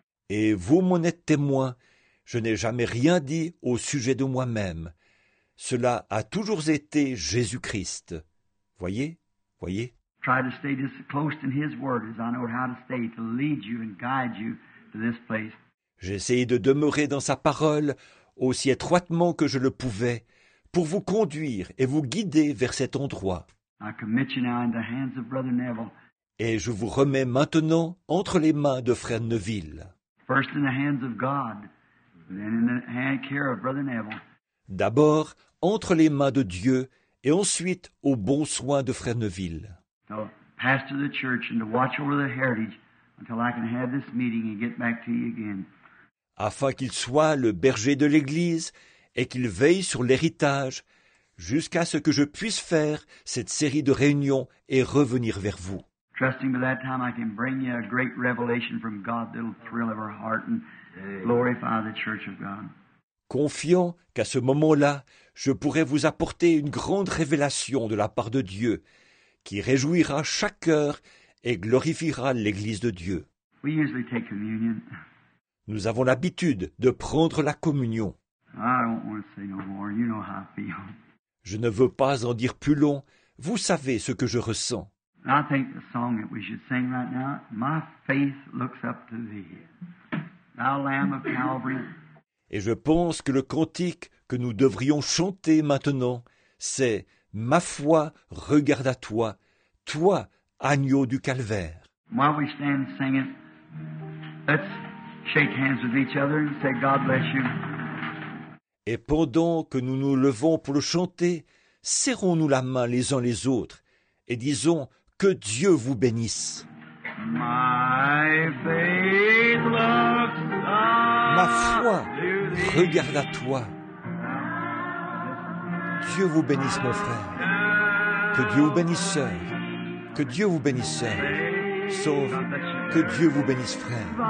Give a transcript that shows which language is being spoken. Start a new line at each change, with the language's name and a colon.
French: Et vous, mon être témoin, je n'ai jamais rien dit au sujet de moi-même. Cela a toujours été Jésus-Christ. Voyez, voyez.
English: Try to stay as close to His word as I know how to stay to lead you and guide you to this place.
French: J'essaie de demeurer dans sa parole aussi étroitement que je le pouvais pour vous conduire et vous guider vers cet endroit.
English: I commit you now in the hands of Brother Neville.
French: Et je vous remets maintenant entre les mains de Frère Neville.
English: First in the hands of God, then in the hand care of Brother Neville.
French: D'abord entre les mains de Dieu et ensuite aux bons soins de Frère Neville.
English: So, pastor the church and to watch over the heritage. Until I can have this meeting and get back to you again.
French: Afin qu'il soit le berger de l'Église et qu'il veille sur l'héritage jusqu'à ce que je puisse faire cette série de réunions et revenir vers vous.
English: Trusting by that time I can bring you a great revelation from God that'll thrill our heart and glorify the Church of God.
French: Confiant qu'à ce moment-là, je pourrai vous apporter une grande révélation de la part de Dieu qui réjouira chaque cœur et glorifiera l'Église de Dieu.
English: We usually take communion.
French: Nous avons l'habitude de prendre la communion.
English: I don't want to say no more. You know how I feel.
French: Je ne veux pas en dire plus long. Vous savez ce que je ressens.
English: I think the song that we should sing right now, my faith looks up to thee, thou Lamb of Calvary.
French: Et je pense que le cantique que nous devrions chanter maintenant, c'est « Ma foi regarde à toi, toi, Agneau du Calvaire. »
English: While we stand singing, let's shake hands with each other and say, God bless you.
French: Et pendant que nous nous levons pour le chanter, serrons-nous la main les uns les autres et disons que Dieu vous bénisse.
English: My faith looks up to thee.
French: Ma foi regarde à toi. Dieu vous bénisse, mon frère. Que Dieu vous bénisse, sœur. Que Dieu vous bénisse, sœur. Sauf que Dieu vous bénisse, frère.